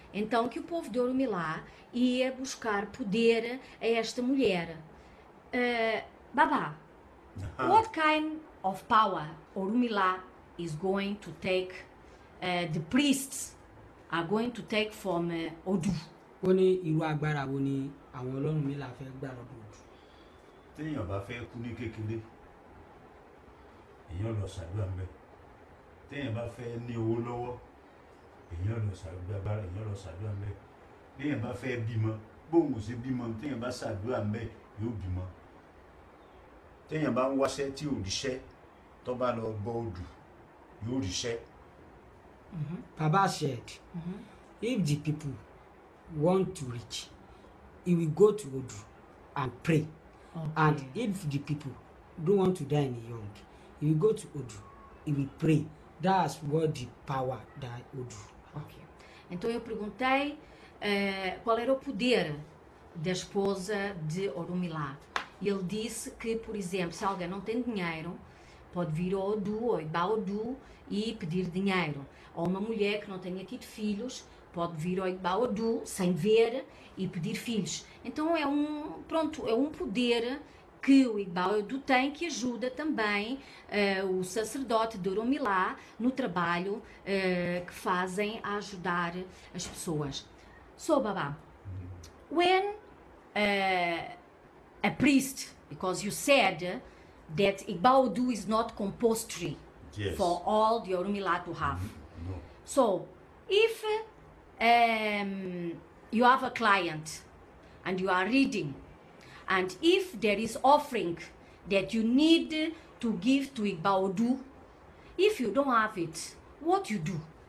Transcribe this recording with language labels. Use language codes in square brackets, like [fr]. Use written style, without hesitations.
[pt] Então que o povo de Orumilá ia buscar poder a esta mulher. [en] Babá, what kind of power Orumilá is going to take, the priests are going to take from Odu? [yo] Oni iru agbara wo ni awon Olorun mi la fe gba lodo Odu. Teyan ba fe ku ni kekele. Eyan lo sagba nbe. Teyan ba fe ni owo lowo. Eyan lo sagba agbara, eyan lo sagba nbe. Teyan ba fe bimo, bohun se bimo, teyan ba sagba nbe, yo bimo. Teyan ba nwase ti odise to ba lo gbo Odu yo rise. Mhm. [en] Baba said, if the people want to reach, he will go to Odu and pray. Okay. And if the people don't want to die any young, he will go to Odu, he will pray. That's what the power that Odu. Okay. [pt] Então eu perguntei qual era o poder da esposa de Orumilá. Ele disse que, por exemplo, se alguém não tem dinheiro, pode vir ao Odu, ao Igba Odu, e pedir dinheiro. Ou uma mulher que não tenha tido filhos, pode vir ao Igba Odu, sem ver, e pedir filhos. Então é um, pronto, é um poder que o Igba Odu tem, que ajuda também o sacerdote de Orumilá no trabalho que fazem a ajudar as pessoas. [en] So, Babá, when a priest, because you said that Igba Odu is not compulsory, yes, for all the Orumilá to have. Mm-hmm. No. So, if you have a client and you are reading, and if there is offering that you need to give to Igba Odu, if you don't have it, what you do?